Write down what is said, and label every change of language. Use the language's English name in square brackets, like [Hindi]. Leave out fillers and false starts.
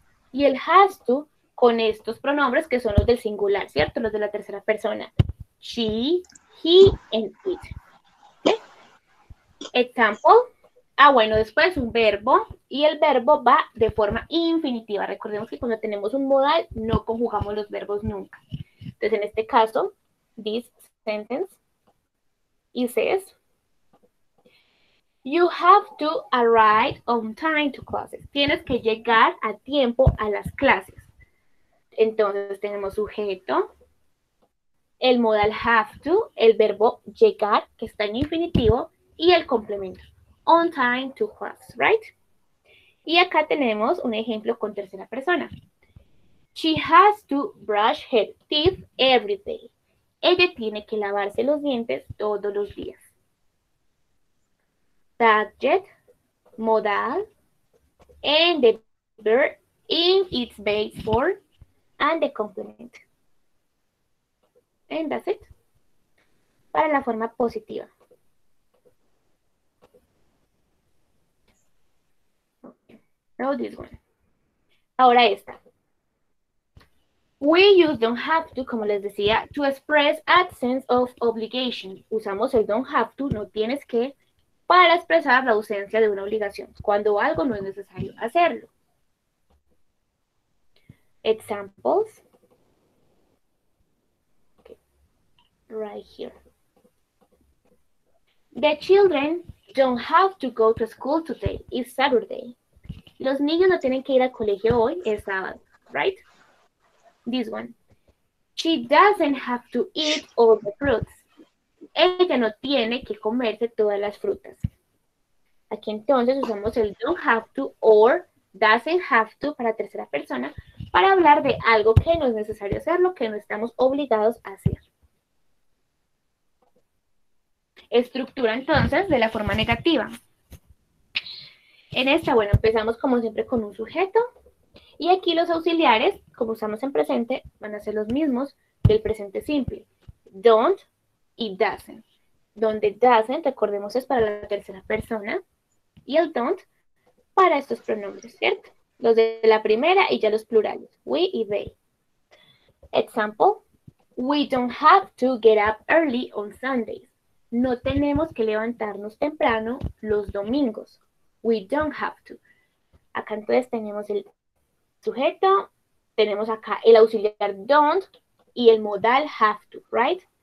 [Spanish] Y el has to con estos pronombres que son los del singular, ¿cierto? Los de la tercera persona. [English] She, he, and it. Example. [Spanish] Ah, bueno, después un verbo, y el verbo va de forma infinitiva. Recordemos que cuando tenemos un modal, no conjugamos los verbos nunca. Entonces, en este caso, [English] this sentence, it says, you have to arrive on time to classes. [Spanish] Tienes que llegar a tiempo a las clases. Entonces, tenemos sujeto, el modal have to, el verbo llegar, que está en infinitivo, y el complemento. [English] On time to class, right? [Spanish] Y acá tenemos un ejemplo con tercera persona. [English] She has to brush her teeth every day. [Spanish] Ella tiene que lavarse los dientes todos los días. [English] Subject, modal, and the verb in its base form, and the complement. And that's it. [Spanish] Para la forma positiva. [English] No, this one. [Spanish] Ahora esta. [English] We use don't have to, [Spanish] como les decía, [English] to express absence of obligation. [Spanish] Usamos el don't have to, no tienes que, para expresar la ausencia de una obligación, cuando algo no es necesario hacerlo. [English] Examples. Okay. Right here. The children don't have to go to school today. It's Saturday. [Spanish] Los niños no tienen que ir al colegio hoy, es sábado. [English] Right? This one. She doesn't have to eat all the fruits. [Spanish] Ella no tiene que comerse todas las frutas. Aquí entonces usamos el don't have to or doesn't have to para tercera persona para hablar de algo que no es necesario hacer, lo que no estamos obligados a hacer. Estructura entonces de la forma negativa. En esta, bueno, empezamos como siempre con un sujeto. Y aquí los auxiliares, como usamos en presente, van a ser los mismos del presente simple. Don't y doesn't. Donde doesn't, recordemos, es para la tercera persona. Y el don't para estos pronombres, ¿cierto? Los de la primera y ya los plurales. [English] We y they. Example. We don't have to get up early on Sundays. [Spanish] No tenemos que levantarnos temprano los domingos. [English] We don't have to. [Spanish] Acá entonces tenemos el sujeto, tenemos acá el auxiliar don't y el modal have to, [English] right?